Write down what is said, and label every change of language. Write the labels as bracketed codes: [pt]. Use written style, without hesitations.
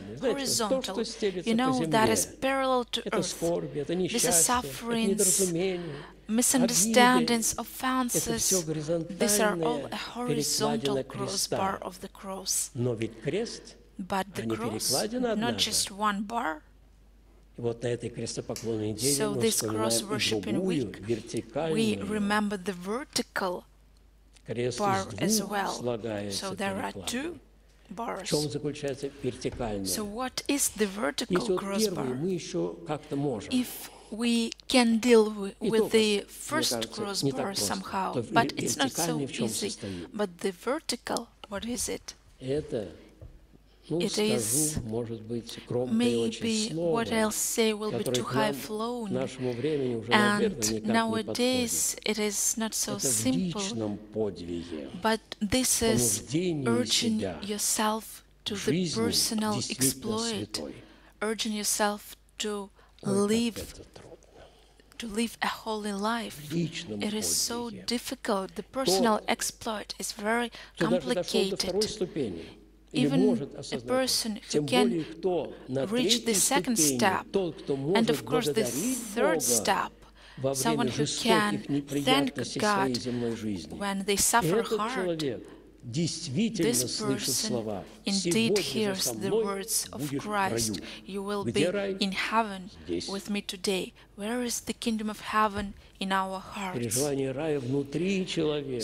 [en] Horizontal, you know, that is parallel to earth. This is sufferings, misunderstandings, offenses. These are all a horizontal crossbar of the cross. But the cross, not just one bar. [ru] Вот на этой крестопоклонной неделе мы вспоминаем и другую, вертикальную. [en] We remember the vertical bar as well. So there are two bars. [ru] В чем заключается вертикальная? [en] So what is the vertical crossbar? [ru] Мы еще как-то можем. [en] If we can deal with the first crossbar somehow, but it's not so easy. But the vertical, what is it? [ru] Это, ну, [en] it is, [ru] может быть, скромное очень слово. [en] Maybe what I'll say will be too high flown. [ru] Нашему времени уже, наверное, никак не подходит. [en] Nowadays it is not so simple. [ru] Это в личном подвиге. [en] But this is urging yourself to the personal exploit. Urging yourself to live. To live a holy life. It is so difficult. The personal exploit is very complicated. Even a person who can reach the second step, and of course the third step, someone who can thank God when they suffer hard, [ru] действительно слышит слова, сегодня же со мной будешь в раю. [en] You will be in heaven with me today. Where is the kingdom of heaven in our hearts? [ru] Переживание рая внутри человека.